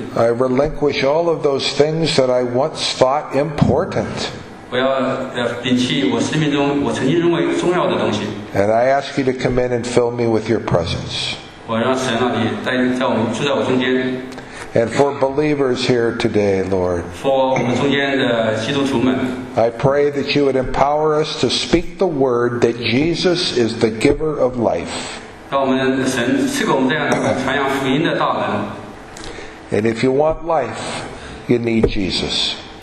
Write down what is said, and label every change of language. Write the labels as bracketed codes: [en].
[en] I relinquish all of those things that I once thought important [zh] 我要摒弃我生命中我曾经认为重要的东西 [en] And I ask you to come in and fill me with your presence [zh] 我让神让你在我们住在我中间 [en] And for believers here today, Lord [zh] for 我们中间的基督徒们 [en] I pray that you would empower us to speak the word that Jesus is the giver of life. And if you want life, you need Jesus.